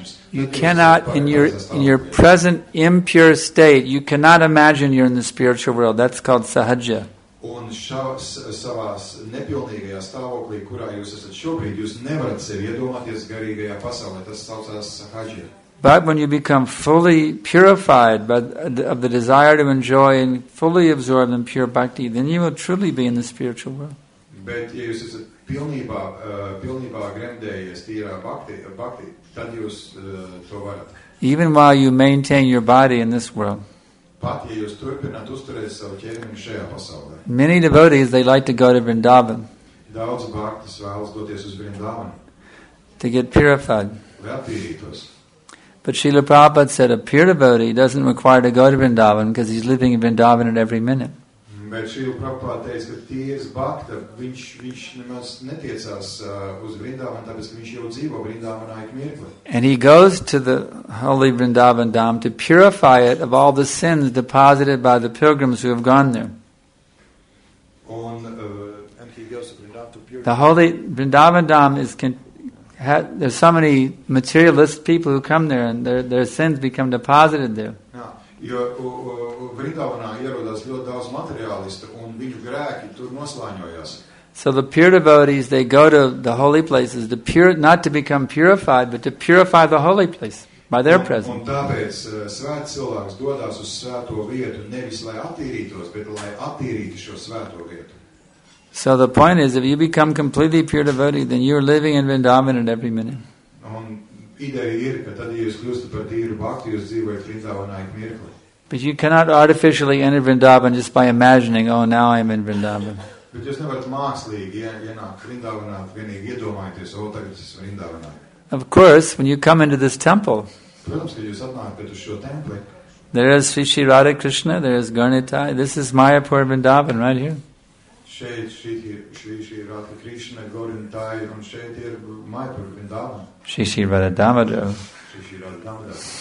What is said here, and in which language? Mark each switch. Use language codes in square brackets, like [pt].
[en] You cannot, in your present impure state, you cannot imagine you're in the spiritual world. That's called sahaja. [lv] Un savās nepilnīgajā stāvoklī, kurā jūs esat šobrīd, jūs nevarat sevi iedomāties garīgajā pasaulē. Tas saucās sahaja. [en] But when you become fully purified by of the desire to enjoy and fully absorbed in pure bhakti, then you will truly be in the spiritual world. [lv] Bet ja jūs esat pilnībā gremdējies tīrā bhakti, tad jūs to varat. [en] Even while you maintain your body in this world. [lv] Pat, ja jūs turpināt uzturēt savu ķermeni šajā pasaulē. [en] Many devotees, they like to go to Vrindavan. [lv] Daudz bhaktis vēlas doties uz Vrindavan. [en] To get purified. [lv] Lai attīrītos. [en] But Srila Prabhupada said, a pure devotee doesn't require to go to Vrindavan because he's living in Vrindavan at every minute. [lv] Bet Srila Prabhupada teica, ka tīrs bhakta, viņš nemaz netiecās uz Vrindavanu, tāpēc, ka viņš jau dzīvo Vrindavanā ik mirkli. [en] And he goes to the holy Vrindavan Dham to purify it of all the sins deposited by the pilgrims who have gone there. And he goes to Vrindavan to purify The holy Vrindavan Dham is there's so many materialist people who come there and their sins become deposited there. [lv] Vrindavanā ierodas ļoti daudz materialistu un viņu grēki tur noslāņojas. [en] So the pure devotees, they go to the holy places, not to become purified, but to purify the holy place. by their presence. [lv] Un tāpēc svēts cilvēks dodas uz svēto vietu nevis lai attīrītos, bet lai attīrītu šo svēto vietu. [en] So the point is, if you become completely pure devotee, then you're living in Vrindavan at every minute. [lv] Un ideja ir, ka tad, ja jūs kļūstat par tīru bhakti, jūs dzīvojat Vrindavanā ik mirkli. [en] But you cannot artificially enter Vrindavan just by imagining, oh, now I'm in Vrindavan. [lv] Bet jūs nevarat mākslīgi ienākt Vrindavanā, vienīgi iedomājoties, oh, tagad es Vrindavanā. [en] Of course, when you come into this temple, [lv] protams, kad jūs atnākat uz šo templi, [en] there is Sri Radha Krishna, there is Garnitai, this is Mayapur Vrindavan right here. [lv] Šeit Sri Radha Krishna, Garnitai, un šeit ir Mayapur Vrindavan. [en] Sri Radha Damodar. [lv] Sri Radha Damodar.